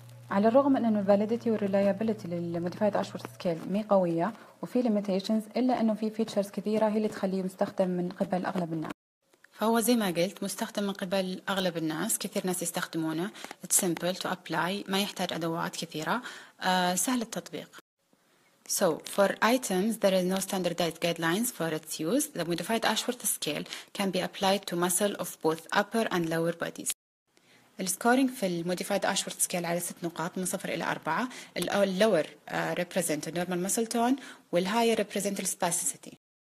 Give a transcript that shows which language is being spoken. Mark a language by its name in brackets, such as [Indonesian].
[Arabic] على الرغم من إنه الفاليديتي والريلايبيليتي للموديفايد أشورت سكيل مي قوية وفي ليميتيشنز، إلا إنه في فيتشرز كثيرة هي اللي تخليه مستخدم من قبل أغلب الناس. فهو زي ما قلت مستخدم من قبل أغلب الناس، كثير ناس يستخدمونه. [English] It's simple to apply، [Arabic] ما يحتاج أدوات كثيرة، سهل التطبيق. [English] So for items there is no standardized guidelines for its use، the modified Ashworth scale can be applied to muscle of both upper and lower bodies. [Arabic] السكورينج في المودفايد أشورث سكيل على 6 نقاط من 0 إلى 4، اللور [English] represent normal muscle tone [Arabic] والهاير [English] represent spasticity.